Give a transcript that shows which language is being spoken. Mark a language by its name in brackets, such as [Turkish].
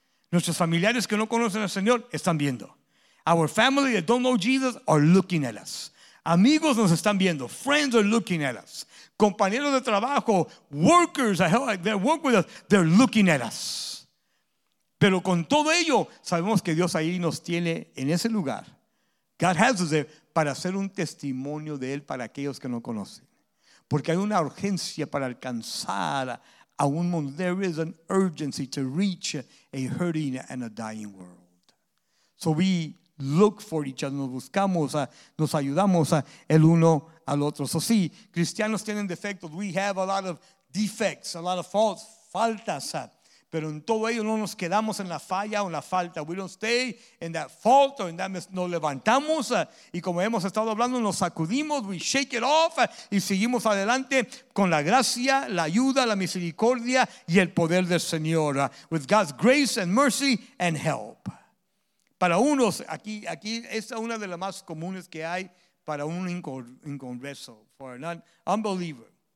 [Spanish] Nuestros familiares que no conocen al Señor están viendo. [English] Our family that don't know Jesus are looking at us. [Spanish] Amigos nos están viendo. [English] Friends are looking at us. [Spanish] Compañeros de trabajo, [English] workers that work with us, they're looking at us. [Spanish] Pero con todo ello, sabemos que Dios ahí nos tiene en ese lugar. [English] God has us there [Spanish] para hacer un testimonio de Él para aquellos que no conocen. Porque hay una urgencia para alcanzar a un mundo. [English] There is an urgency to reach a hurting and a dying world. So we look for each other, [Spanish] nos buscamos, nos ayudamos el uno al otro. So sí, cristianos tienen defectos. [English] We have a lot of defects, a lot of faults, faltas. [Spanish] Pero en todo ello no nos quedamos en la falla o en la falta. [English] We don't stay in that fault or in that mess. [Spanish] Nos levantamos y como hemos estado hablando, nos sacudimos, [English] we shake it off [Spanish] y seguimos adelante con la gracia, la ayuda, la misericordia y el poder del Señor. [English] With God's grace and mercy and help. [Spanish] Para unos, aquí es una de las más comunes que hay para un inconverso, [English] for an unbeliever.